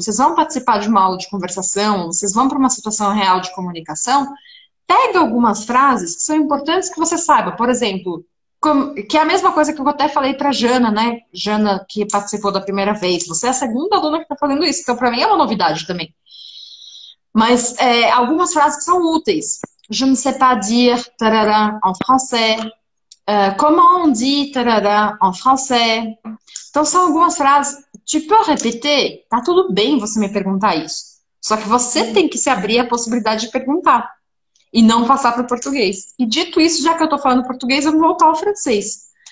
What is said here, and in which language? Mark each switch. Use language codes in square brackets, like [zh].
[pt] Vocês vão participar de uma aula de conversação, vocês vão para uma situação real de comunicação, pega algumas frases que são importantes que você saiba. Por exemplo, que é a mesma coisa que eu até falei para Jana, né? Jana, que participou da primeira vez. Você é a segunda aluna que está falando isso, então para mim é uma novidade também. Mas algumas frases que são úteis. [fr] Je ne sais pas dire, tarará, en français. Comment on dit, tarará, en français. [pt] Então são algumas frases. [fr] Tu peux répéter? [pt] Tá tudo bem você me perguntar isso. Só que você tem que se abrir à possibilidade de perguntar. E não passar para o português. E dito isso, já que eu estou falando português, eu vou voltar ao francês.